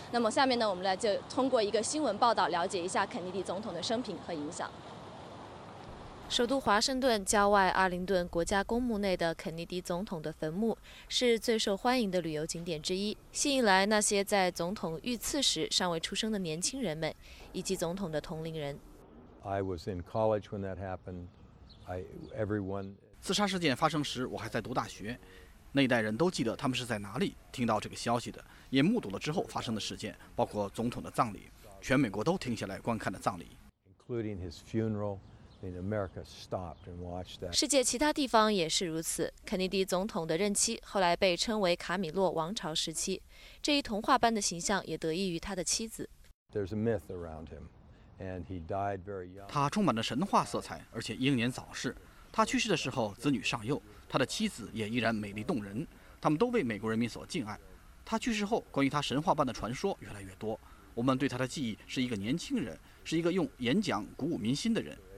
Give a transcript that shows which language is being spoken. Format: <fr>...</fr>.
<zh>那么下面呢，我们来就通过一个新闻报道了解一下肯尼迪总统的生平和影响。首都华盛顿郊外阿灵顿国家公墓内的肯尼迪总统的坟墓是最受欢迎的旅游景点之一，吸引来那些在总统遇刺时尚未出生的年轻人们，以及总统的同龄人。</zh> <en>I was in college when that happened. Everyone.</en> <zh>刺杀事件发生时，我还在读大学。那一代人都记得他们是在哪里听到这个消息的，也目睹了之后发生的事件，包括总统的葬礼，全美国都停下来观看的葬礼。</zh> <en>Including his funeral. America stopped and watched that.</en> <zh>世界其他地方也是如此。肯尼迪总统的任期后来被称为卡米洛王朝时期，这一童话般的形象也得益于他的妻子。</zh> <en>There's a myth around him, and he died very young.</en> <zh>他充满了神话色彩，而且英年早逝。他去世的时候，子女尚幼，他的妻子也依然美丽动人，他们都为美国人民所敬爱。他去世后，关于他神话般的传说越来越多。我们对他的记忆是一个年轻人，是一个用演讲鼓舞民心的人。</zh>